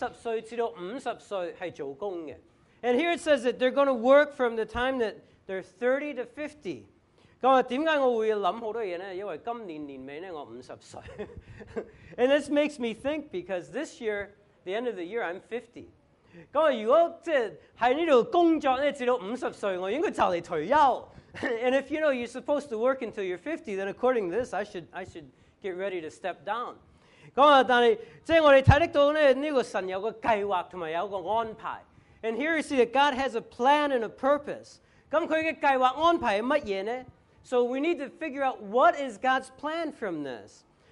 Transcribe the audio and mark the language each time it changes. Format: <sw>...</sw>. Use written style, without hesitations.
<zh>他有在这里讲到呢，他有30岁至到50岁是做工的。</zh> <en>And here it says that they're going to work from the time that they're 30 to 50.</en> <zh>为什么我会想很多东西呢？因为今年年尾呢，我50岁。</zh> <en>And this makes me think because this year, the end of the year, I'm 50.</en> <zh>如果在这里工作直到50岁，我应该快退休。</zh> <en>And if you know you're supposed to work until you're 50, then according to this, I should get ready to step down.</en> <zh>但是我们看得到这个神有个计划和有个安排。</zh> <en>And here you see that God has a plan and a purpose.</en> <zh>他的计划安排是什么呢？</zh> <en>So we need to figure out what is God's plan from this.</en>